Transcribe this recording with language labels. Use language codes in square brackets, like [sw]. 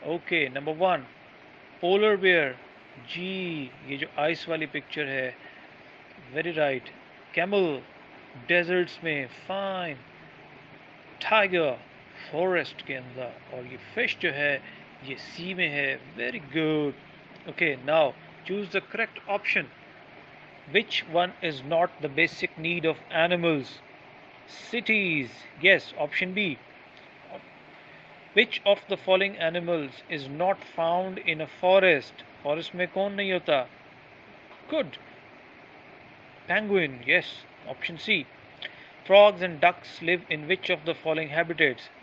[en] Okay, number 1, polar bear. [ur] جی, یہ جو ice والی پکچر ہے, [en] Very right. [ur] کیمل ڈیزرٹس میں, فائن. ٹائیگر فورسٹ کے اندر, اور یہ فش جو ہے یہ سی میں ہے, [en] Very good. Okay, now choose the correct option. Which one is not the basic need of animals? Cities, yes, option B. Which of the following animals is not found in a forest? [ur] Forest mein kaun nahi hota? [en] Good. Penguin, yes. Option C. Frogs and ducks live in which of the following habitats?